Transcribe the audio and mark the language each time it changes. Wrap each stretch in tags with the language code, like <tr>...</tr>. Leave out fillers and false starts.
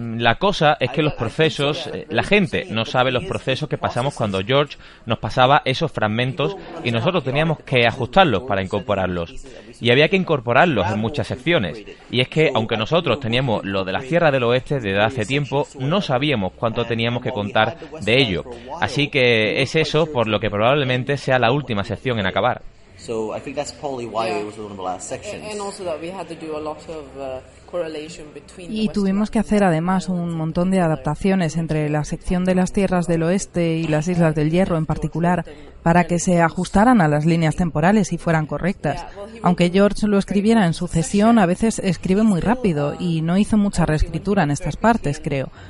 <es>La cosa es que los procesos, la gente no sabe los procesos que pasamos cuando George nos pasaba esos fragmentos, y nosotros teníamos que ajustarlos para incorporarlos. Y había que incorporarlos en muchas secciones. Y es que, aunque nosotros teníamos lo de la Sierra del Oeste desde hace tiempo, no sabíamos cuánto teníamos que contar de ello. Así que es eso por lo que probablemente sea la última sección en acabar.</es> <en>So I think that's probably why it was one of the last sections. And also that we had to do a lot of correlation between.</en> <es>Y tuvimos que hacer además un montón de adaptaciones entre la sección de las tierras del oeste y las islas del hierro en particular, para que se ajustaran a las líneas temporales y fueran correctas. Aunque George lo escribiera en sucesión, a veces escribe muy rápido y no hizo mucha reescritura en estas partes, creo.</es>